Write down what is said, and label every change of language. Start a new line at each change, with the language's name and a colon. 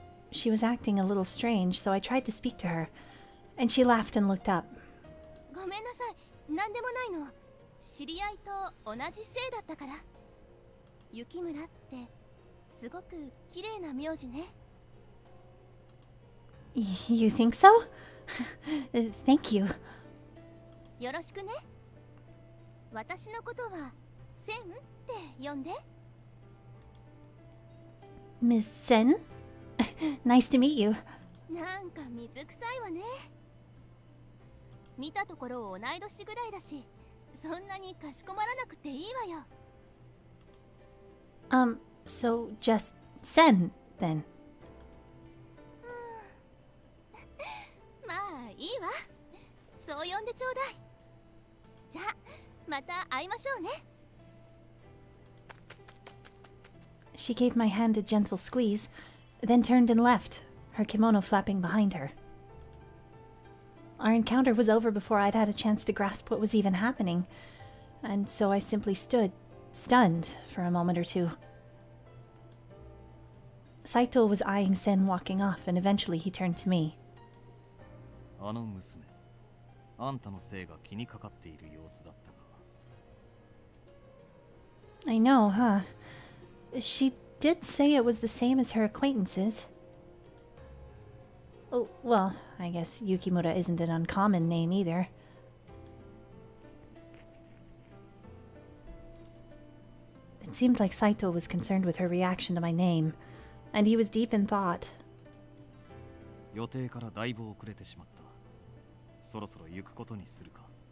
English: She was acting a little strange, so I tried to speak to her, and she laughed and looked up.
Japanese: ごめんなさい、なんでもないの。知り合いと同じ姓だったから。雪村ってすごく綺麗な名字ね。
English: You think so? Thank you.
Japanese: よろしくね。私のことは、センって呼んで。
English: Miss Sen? Nice to meet you.
Japanese: なんか水臭いわね。見たところ同い年ぐらいだし、そんなにかしこまらなくていいわよ。
English: So just Sen, then.
Japanese: まあいいわ。そう呼んでちょうだい。じゃあ、また会いましょうね。
English: She gave my hand a gentle squeeze, then turned and left, her kimono flapping behind her. Our encounter was over before I'd had a chance to grasp what was even happening, and so I simply stood, stunned, for a moment or two. Saito was eyeing Sen walking off, and eventually he turned to me.
Japanese: あの娘、あんたの姓が気にかかっている様子だったが。
English: I know, huh? She did say it was the same as her acquaintances. Oh, well, I guess Yukimura isn't an uncommon name either. It seemed like Saito was concerned with her reaction to my name, and he was deep in thought.
Japanese: 予定からだいぶ遅れてしまった。そろそろ行くことにするか。